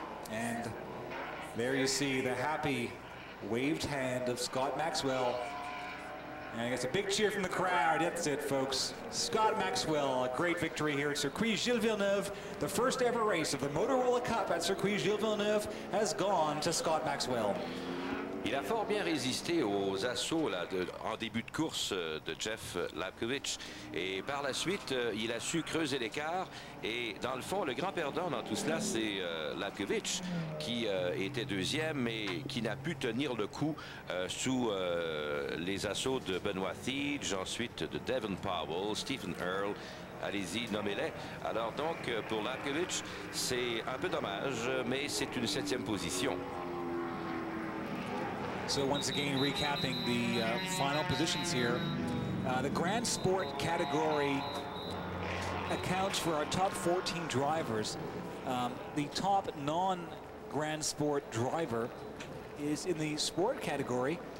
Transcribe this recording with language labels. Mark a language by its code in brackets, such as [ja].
[en] And there you see the happy waved hand of Scott Maxwell. And it's a big cheer from the crowd. That's it, folks. Scott Maxwell, a great victory here at Circuit Gilles Villeneuve. The first ever race of the Motorola Cup at Circuit Gilles Villeneuve has gone to Scott Maxwell. [fr] Il a fort bien résisté aux assauts là, en début de course de Jeff Lapkowicz. Et par la suite, il a su creuser l'écart. Et dans le fond, le grand perdant dans tout cela, c'est Lapkowicz, qui était deuxième et qui n'a pu tenir le coup sous les assauts de Benoit Thige, ensuite de Devin Powell, Stephen Earl. Allez-y, nommez-les. Alors donc, pour Lapkowicz, c'est un peu dommage, mais c'est une septième position. [en] So once again, recapping the final positions here. The Grand Sport category accounts for our top 14 drivers. The top non-Grand Sport driver is in the Sport category.